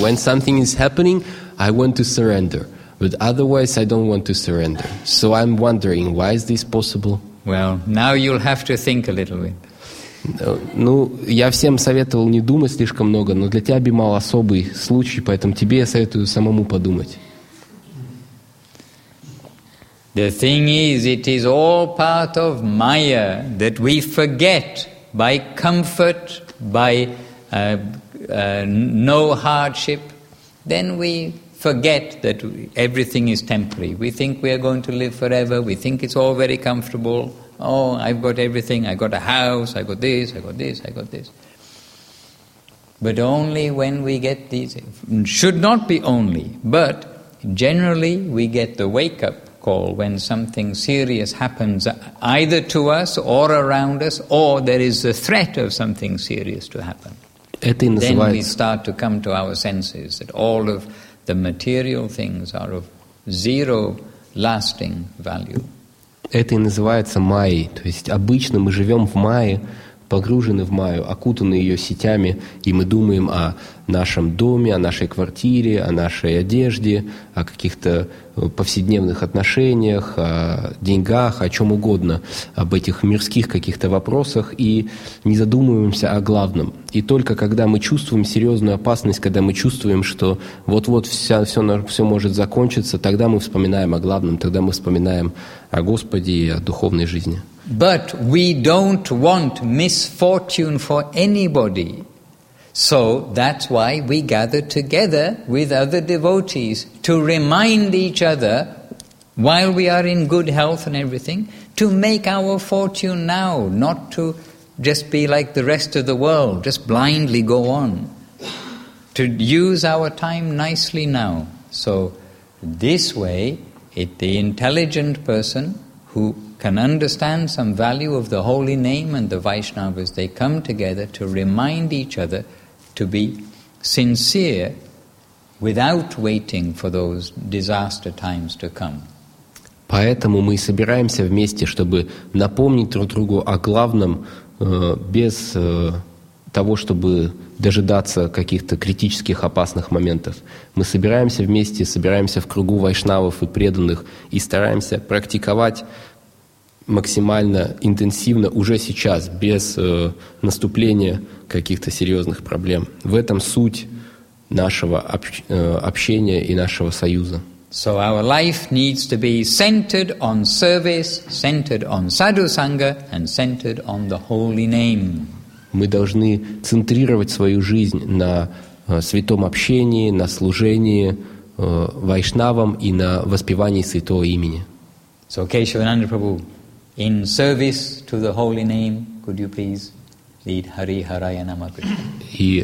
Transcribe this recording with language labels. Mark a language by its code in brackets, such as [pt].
[en] When something is happening, I want to surrender. But otherwise, I don't want to surrender. So I'm wondering, why is this possible? Well, now you'll have to think a little bit. [ru] Ну, я всем советовал не думать слишком много, но для тебя, Бимал, особый случай, поэтому тебе я советую самому подумать. [en] The thing is, it is all part of Maya that we forget by comfort, by no hardship. Then we forget that everything is temporary. We think we are going to live forever. We think it's all very comfortable. Oh, I've got everything. I got a house. I got this. I got this. I got this. But only when we get these, should not be only, but generally we get the wake-up call when something serious happens either to us or around us, or there is a threat of something serious to happen. Then we start to come to our senses that all of the material things are of zero lasting value. [ru] Это и называется майей. То есть обычно мы живем в мае, погружены в маю, окутаны ее сетями, и мы думаем о нашем доме, о нашей квартире, о нашей одежде, о каких-то повседневных отношениях, о деньгах, о чем угодно, об этих мирских каких-то вопросах, и не задумываемся о главном. И только когда мы чувствуем серьезную опасность, когда мы чувствуем, что вот-вот все может закончиться, тогда мы вспоминаем о главном, тогда мы вспоминаем о Господе и о духовной жизни. [en] But we don't want misfortune for anybody. So that's why we gather together with other devotees to remind each other, while we are in good health and everything, to make our fortune now, not to just be like the rest of the world, just blindly go on. To use our time nicely now. So this way, the intelligent person who can understand some value of the holy name and the Vaishnavas, they come together to remind each other to be sincere without waiting for those disaster times to come. [ru] Поэтому мы собираемся вместе, чтобы напомнить друг другу о главном, без того, чтобы дожидаться каких-то критических опасных моментов. Мы собираемся вместе, собираемся в кругу вайшнавов и преданных и стараемся практиковать максимально интенсивно уже сейчас, без наступления каких-то серьезных проблем. В этом суть нашего общения и нашего союза. [en] So our life needs to be centered on service, centered on sadhu sangha, and centered on the holy name. [ru] Мы должны центрировать свою жизнь на святом общении, на служении вайшнавам и на воспевании святого имени. [en] So Кешавананда Прабху, in service to the holy name, could you please lead Hari Haraya Namakrishna?